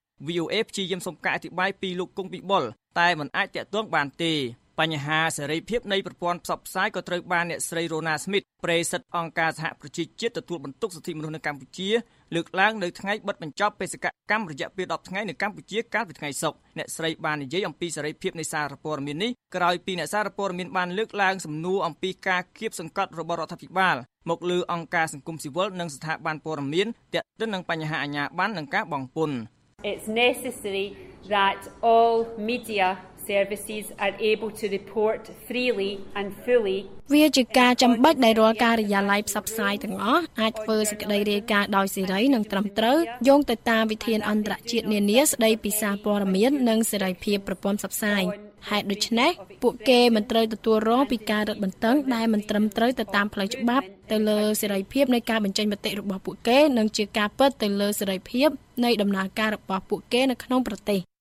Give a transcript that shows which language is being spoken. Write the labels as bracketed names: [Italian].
[Khmer] VOA ព្យាយាមសុំការអធិប្បាយពីលោកកុងពិបុលតែមិនអាចទទួលបានទេបញ្ហាសេរីភាពនៃប្រព័ន្ធផ្សព្វផ្សាយក៏ត្រូវបានអ្នកស្រី Rona Smith ប្រេសិតអង្គការសហប្រជាជាតិទទួលបន្ទុកសិទ្ធិមនុស្សនៅកម្ពុជាលើកឡើងនៅថ្ងៃបិទបញ្ចប់បេសកកម្មរយៈពេល10ថ្ងៃនៅកម្ពុជាកាលពីថ្ងៃសុក្រអ្នកស្រីបាននិយាយអំពីសេរីភាពនៃសារព័ត៌មាននេះក្រោយពីអ្នកសារព័ត៌មានបានលើកឡើងសំណួរអំពីការគាបសង្កត់របស់រដ្ឋាភិបាលមកលើអង្គការសង្គមស៊ីវិលនិងស្ថាប័នព័ត៌មានទាក់ទងនឹងបញ្ហាអាជ្ញាប័ណ្ណនិងការបង់ពន្ធ [English] It's necessary that all mediaservices are able to report freely and fully [Khmer] វាជាការចាំបាច់ដែលរាល់ការិយាល័យផ្សព្វផ្សាយទាំងអស់អាចធ្វើសេចក្តីរាយការណ៍ដោយសេរីនិងត្រឹមត្រូវយោងទៅតាមវិធានអន្តរជាតិនានាស្តីពីសារព័ត៌មាននិងសេរីភាពប្រព័ន្ធផ្សព្វផ្សាយហេតុដូច្នេះពួកគេមិនត្រូវទទួលរងពីការរឹតបន្តឹងដែលមិនត្រឹមត្រូវទៅតាមផ្លូវច្បាប់ទៅលើសេរីភាពនៃការបញ្ចេញមតិរបស់ពួកគេនិងជាការពិតទៅលើសេរីភាពនៃដំណើរការរបស់ពួកគេនៅក្នុងប្រទេស